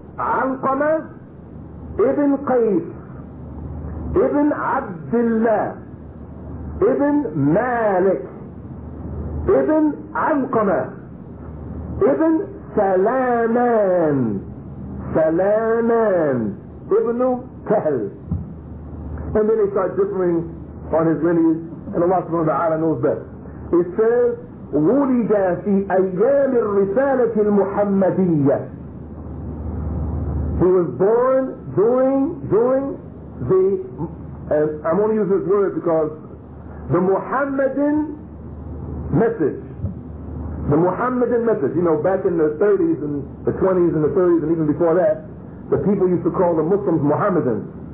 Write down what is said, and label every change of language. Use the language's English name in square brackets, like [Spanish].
[English] Alqama ibn Qais ibn Abdullah ibn Malik ibn Alqama ibn Salaman Salaman ibn Tahl. And then they start differing on his lineage, and Allah subhanahu wa ta'ala knows best. It says, [Arabic] وُلِدَ فِي أَيَّامِ الرِّسَالَةِ الْمُحَمَّدِيَّةِ. [English] He was born during the, I'm only using this word because, the Muhammadan message. The Muhammadan message. You know, back in the 30s and the 20s and the 30s and even before that, the people used to call the Muslims Muhammadans.